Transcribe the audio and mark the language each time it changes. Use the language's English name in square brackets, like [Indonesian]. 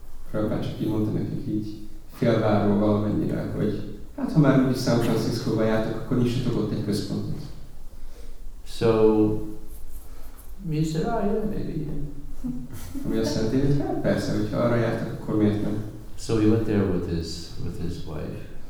[Hungarian] Prabhupada csak így mondta nekik, így félvárva valamennyire, hogy hát ha már úgyis San Franciscóba jártok, akkor nyissatok ott egy központot. [English] So, mi is said, ah, yeah, maybe. [Hungarian] Ami azt mondta, hogy hát persze, hogyha arra jártak, akkor miért nem? [English] So he went there with his wife.